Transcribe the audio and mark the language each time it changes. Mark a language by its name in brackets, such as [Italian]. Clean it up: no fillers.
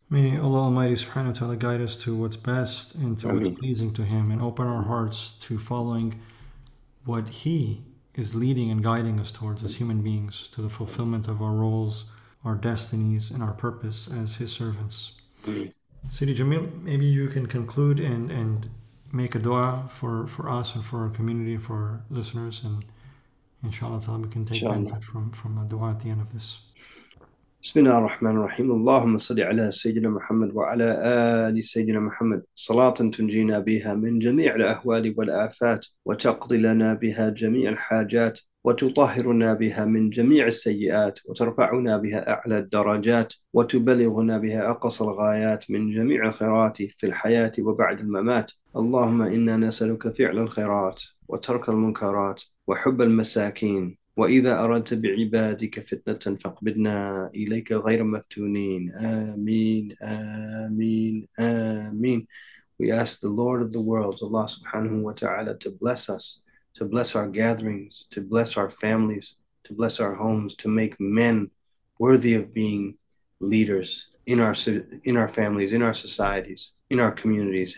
[English] May Allah Almighty subhanahu wa ta'ala guide us to what's best and to what's pleasing to Him, and open our hearts to following what He is leading and guiding us towards as human beings, to the fulfillment of our roles, our destinies, and our purpose as His servants. Sidi Jamil, maybe you can conclude and make a dua for us and for our community and for our listeners, and inshallah ta'ala we can take benefit from a dua at the end of this. [Arabic] بسم الله الرحمن الرحيم اللهم صل على سيدنا محمد وعلى آل سيدنا محمد صلاة تنجينا بها من جميع الأهوال والآفات وتقضي لنا بها جميع الحاجات وتطهرنا بها من جميع السيئات وترفعنا بها أعلى الدرجات وتبلغنا بها أقصى الغايات من جميع الخيرات في الحياة وبعد الممات اللهم إنا نسألك فعل الخيرات وترك المنكرات وحب المساكين وإذا أردت بعبادك فتنة فاقبضنا إليك غير مفتونين آمين آمين آمين. [English] We ask the Lord of the worlds, Allah subhanahu wa ta'ala, to bless us, to bless our gatherings, to bless our families, to bless our homes, to make men worthy of being leaders in our families, in our societies, in our communities.